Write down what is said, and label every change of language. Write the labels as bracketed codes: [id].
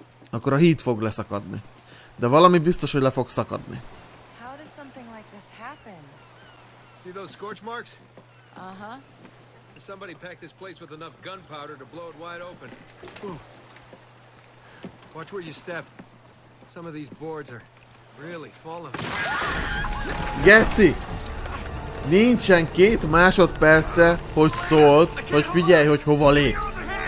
[hu] Akkor a híd fog leszakadni. De valami biztos, hogy le fog szakadni. [en] How does something like this happen? See those scorch marks? Uh-huh. Somebody packed this place with enough gunpowder to blow it wide open. Watch where you step. Some of these boards are really falling. [hu] Geci! Nincsen két másodperce, hogy szólt, hogy figyelj, hogy hova lépsz.